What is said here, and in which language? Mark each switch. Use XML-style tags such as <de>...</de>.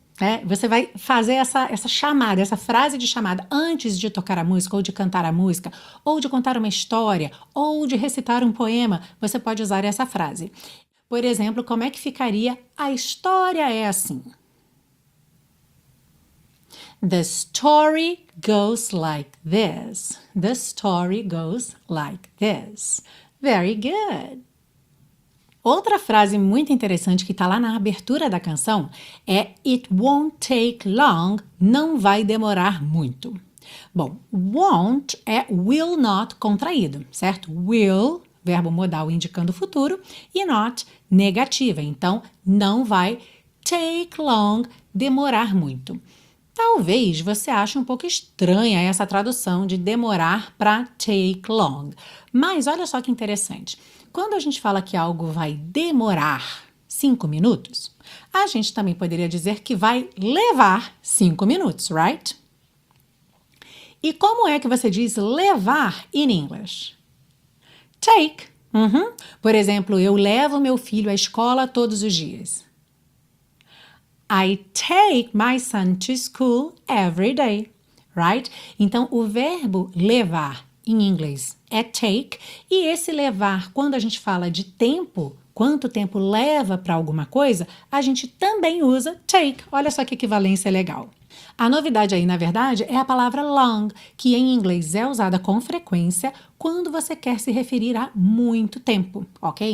<pt>É, você vai fazer essa chamada, essa frase de chamada antes de tocar a música, ou de cantar a música, ou de contar uma história, ou de recitar um poema. Você pode usar essa frase. Por exemplo, como é que ficaria a história é assim?</pt> <en>The story goes like this. The story goes like this. Very good.</en> <pt>Outra frase muito interessante que está lá na abertura da canção é</pt> <en>"It won't take long",</en> <pt>não vai demorar muito. Bom, won't é will not contraído, certo? Will, verbo modal indicando o futuro, e not, negativa. Então, não vai take long, demorar muito. Talvez você ache um pouco estranha essa tradução de demorar para take long. Mas olha só que interessante. Quando a gente fala que algo vai demorar 5 minutos, a gente também poderia dizer que vai levar 5 minutos, right? E como é que você diz levar</pt> <en>in English?</en> <pt>Take. Uhum. Por exemplo, eu levo meu filho à escola todos os dias.</pt> <en>I take my son to school every day, right?</en> <pt>Então, o verbo levar em inglês é take. E esse levar, quando a gente fala de tempo, quanto tempo leva para alguma coisa, a gente também usa take. Olha só que equivalência legal. A novidade aí, na verdade, é a palavra long, que em inglês é usada com frequência quando você quer se referir a muito tempo, ok?</pt>